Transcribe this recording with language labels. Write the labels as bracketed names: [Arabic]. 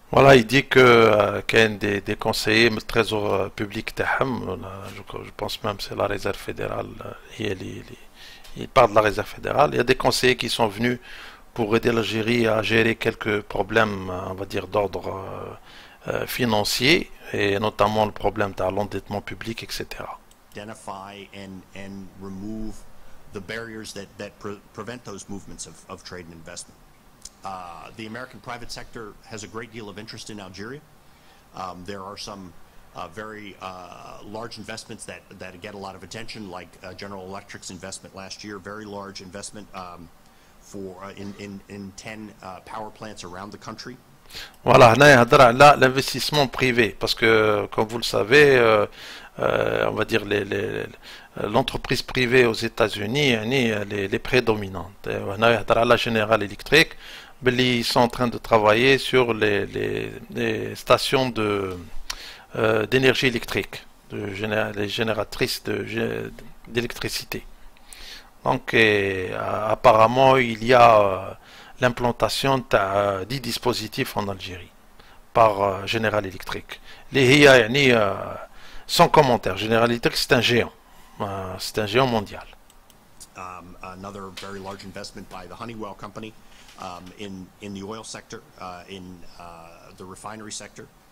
[French] Voilà, il dit que qu'un des conseillers, le trésor public, je pense même c'est la réserve fédérale, il parle de la réserve fédérale. Il y a des conseillers qui sont venus pour aider l'Algérie à gérer quelques problèmes, on va dire, d'ordre financier, et notamment le problème de l'endettement public, etc. [English] Identify and remove the barriers that prevent those movements of trade and investment. The American private sector has a great deal of interest in Algeria. There are some very large investments that get a lot of attention, like General Electric's investment last year, very large investment for in 10 power plants around the country. [French] Voilà, là, l'investissement privé, parce que, comme vous le savez, on va dire, l'entreprise privée aux États-Unis, les prédominantes. La General Electric, ils sont en train de travailler sur les stations d'énergie électrique, les génératrices d'électricité. Donc, apparemment, il y a l'implantation de 10 dispositifs en Algérie par General Electric. Les IA, sans commentaire, General Electric, c'est un géant mondial. [English] Another very large investment by the Honeywell company in the oil sector, in the refinery sector.